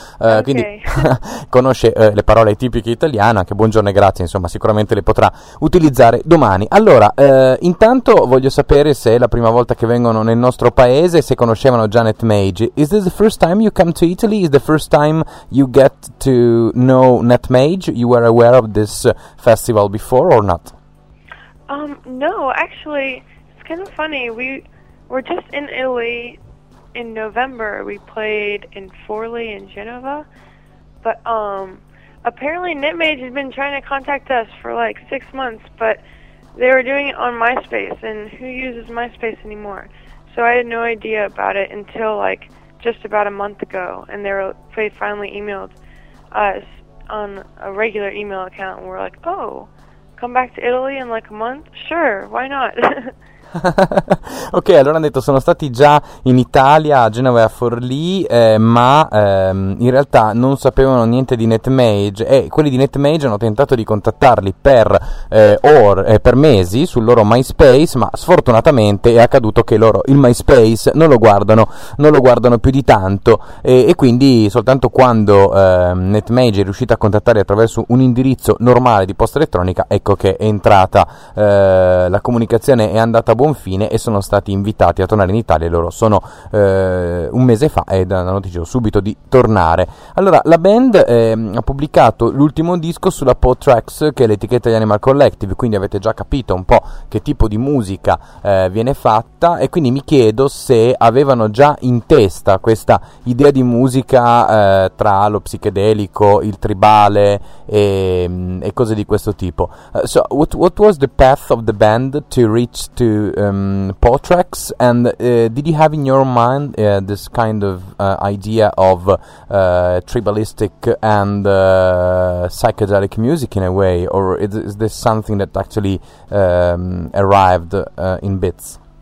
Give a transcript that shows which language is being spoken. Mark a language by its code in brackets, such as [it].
[it] Quindi conosce le parole tipiche italiane, anche buongiorno e grazie, insomma, sicuramente le potrà utilizzare domani. Allora, intanto voglio sapere se è la prima volta che vengono nel nostro paese, se conoscevano Janet Mage. [en] Is this the first time you come to Italy? Is the first time you get to know Nutmeg? You were aware of this festival before or not? No, actually, it's kind of funny. We were just in Italy in November. We played in Forlì in Genova, but apparently Nitmage has been trying to contact us for like 6 months, but they were doing it on MySpace, and who uses MySpace anymore? So I had no idea about it until like just about a month ago, and they finally emailed us on a regular email account, and we're like, oh, come back to Italy in like a month? Sure, why not? [it] Ok, allora hanno detto sono stati già in Italia, a Genova e a Forlì, ma in realtà non sapevano niente di Netmage e quelli di Netmage hanno tentato di contattarli per mesi sul loro MySpace, ma sfortunatamente è accaduto che loro il MySpace non lo guardano più di tanto e quindi soltanto quando Netmage è riuscita a contattare attraverso un indirizzo normale di posta elettronica, ecco che è entrata la comunicazione è andata a buon fine e sono stati invitati a tornare in Italia. Loro sono un mese fa ed hanno deciso subito di tornare. Allora, la band ha pubblicato l'ultimo disco sulla Po Tracks, che è l'etichetta di Animal Collective, quindi avete già capito un po' che tipo di musica viene fatta e quindi mi chiedo se avevano già in testa questa idea di musica tra lo psichedelico, il tribale e cose di questo tipo. [en] So what was the path of the band to reach to Po Tracks, and did you have in your mind this kind of idea of tribalistic and psychedelic music in a way, or is this something that actually arrived in bits?